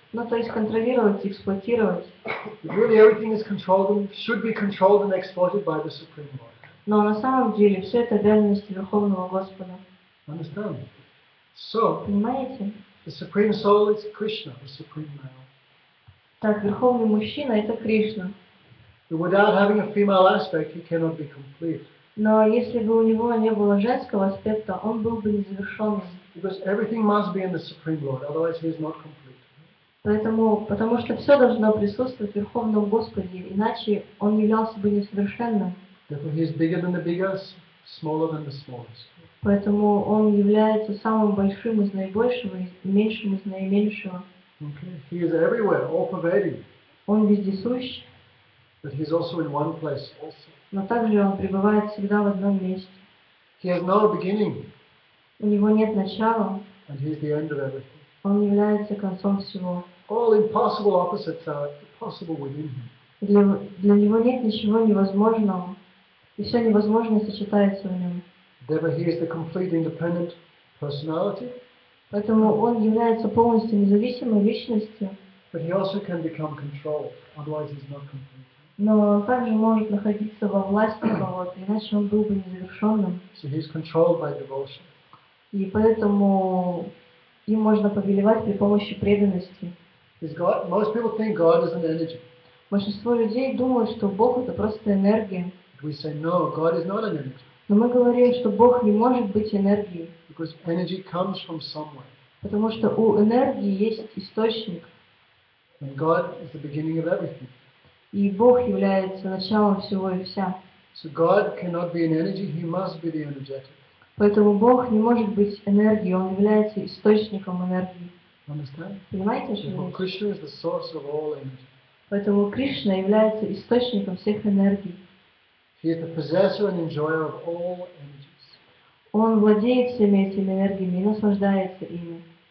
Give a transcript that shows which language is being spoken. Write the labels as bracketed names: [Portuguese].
[Russian] Ну, то есть контролировать, эксплуатировать. [English] Really everything is controlled and should be controlled and exploited by the Supreme Lord. [Russian] Но на самом деле все это обязанности Верховного Господа. [English] Understand? So. [Russian] Понимаете? [English] The Supreme Soul is Krishna, the Supreme Male. [Russian] Так, верховный мужчина – это Кришна. [English] Without having a female aspect, he cannot be complete. [Russian] Но если бы у него не было женского аспекта, он был бы незавершенным. [English] Because everything must be in the Supreme Lord, otherwise he is not complete. [Russian] Поэтому, потому что все должно присутствовать в Верховном Господе, иначе он являлся бы несовершенным. [English] Therefore, he is bigger than the biggest, smaller than the smallest. [Russian] Поэтому он является самым большим из наибольшего и меньшим из наименьшего. [English] Okay. He is everywhere, all pervading. [Russian] Он вездесущ. [English] But he's also in one place also. [Russian] Но также он пребывает всегда в одном месте. [English] He has no beginning. [Russian] У него нет начала. [English] And he's the end of everything. [Russian] Он является концом всего. [English] All impossible opposites are possible within him. [Russian] Для него нет ничего невозможного, и все невозможное сочетается в нем. [English] Therefore, he is the complete independent personality. [Russian] Поэтому он является полностью независимой личностью. [English] But he also can become controlled, otherwise he's not complete. [Russian] Но он также может находиться во власти кого-то, иначе он был бы незавершенным. [English] So he's controlled by devotion. [Russian] И поэтому им можно повелевать при помощи преданности. [English] Most people think God is an energy. [Russian] Большинство людей думают, что Бог это просто энергия. [English] We say, no, God is not an energy. [Russian] Но мы говорим, что Бог не может быть энергией. [English] Because energy comes from somewhere. [Russian] Потому что у энергии есть источник. [English] And God is the beginning of everything. [Russian] И Бог является началом всего и вся. [English] So God cannot be an energy, he must be the energetic. [Russian] Поэтому Бог не может быть энергией, он является источником энергии. [English] Understand? [Russian] Понимаете, что [English] Well, Krishna is the source of all energy. [Russian] Поэтому Кришна является источником всех энергий. [English] He is the possessor and enjoyer of all energies. [Russian] Он владеет всеми этими энергиями и наслаждается ими.